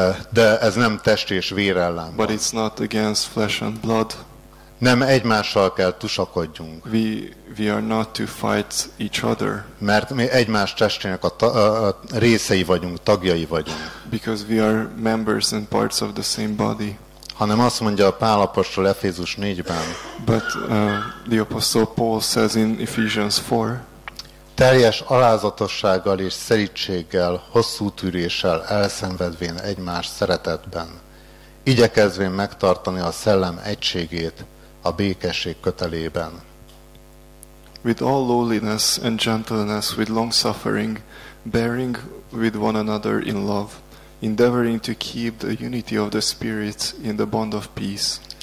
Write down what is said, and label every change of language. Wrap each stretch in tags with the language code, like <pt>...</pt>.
<hu>De ez nem test és vér ellen.</hu> <en>But it's not against flesh and blood.</en> <hu>Nem egymással kell tusakodjunk.</hu> <en>We are not to fight each other.</en> <hu>Mert mi egymás testének a részei vagyunk, tagjai vagyunk.</hu> <en>Because we are members and parts of the same body.</en> <hu>Hanem azt mondja a Pál apostol Efézus 4-ben.</hu> <en>But the apostle Paul says in Ephesians 4.</en> <hu>Teljes alázatossággal és szelídséggel, hosszú tűréssel elszenvedvén egymás szeretetben, igyekezvén megtartani a szellem egységét a békesség kötelében.</hu> <en>With all lowliness and gentleness, with long suffering, bearing with one another in love, endeavoring to keep the unity of the spirit in the bond of peace.</en>